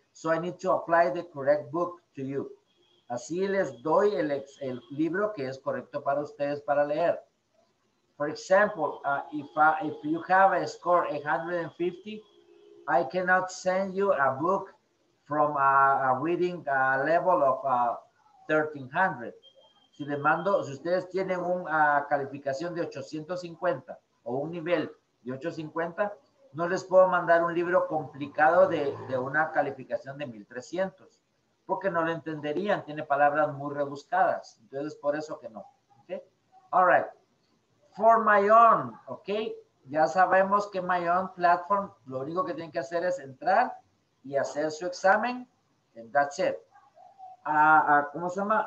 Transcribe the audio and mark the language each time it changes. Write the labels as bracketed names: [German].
[English] So I need to apply the correct book to you. [Spanish] Así les doy el libro que es correcto para ustedes para leer. [English] For example, if you have a score 150, I cannot send you a book from a reading level of 1300. [Spanish] Si les mando, si ustedes tienen una calificación de 850 o un nivel de 850, no les puedo mandar un libro complicado de una calificación de 1300, porque no lo entenderían, tiene palabras muy rebuscadas. Entonces, por eso que no. Okay? [English] All right. For my own, [Spanish] ok, ya sabemos que [English] my own platform, [Spanish] lo único que tienen que hacer es entrar y hacer su examen, [English] and that's it. [Spanish] ¿Cómo se llama?